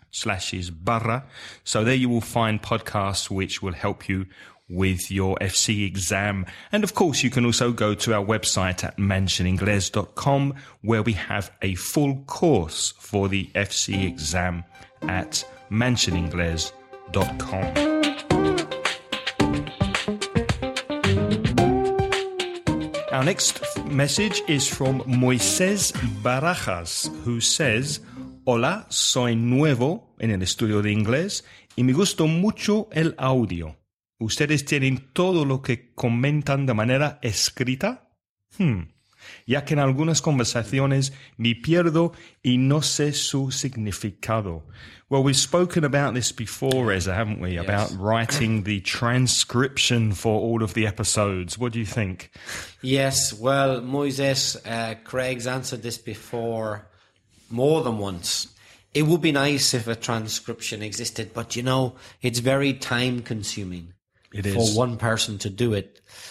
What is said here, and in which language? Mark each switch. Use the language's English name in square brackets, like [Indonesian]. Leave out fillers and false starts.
[English] /barra. So there you will find podcasts which will help you with your FCE exam. And of course, you can also go to our website at mentioningles.com, where we have a full course for the FCE exam at mentioningles.com. Our next message is from Moisés Barajas, who says, [Spanish] Hola, soy nuevo en el estudio de inglés y me gustó mucho el audio. ¿Ustedes tienen todo lo que comentan de manera escrita? Ya que en algunas conversaciones me pierdo y no sé su significado. [English] Well, we've spoken about this before, Reza, haven't we? Yes. About writing the transcription for all of the episodes. What do you think? Yes, well, Moises, Craig's answered this before. More than once. It would be nice if a transcription existed, but you know, it's very time consuming for one person to do it.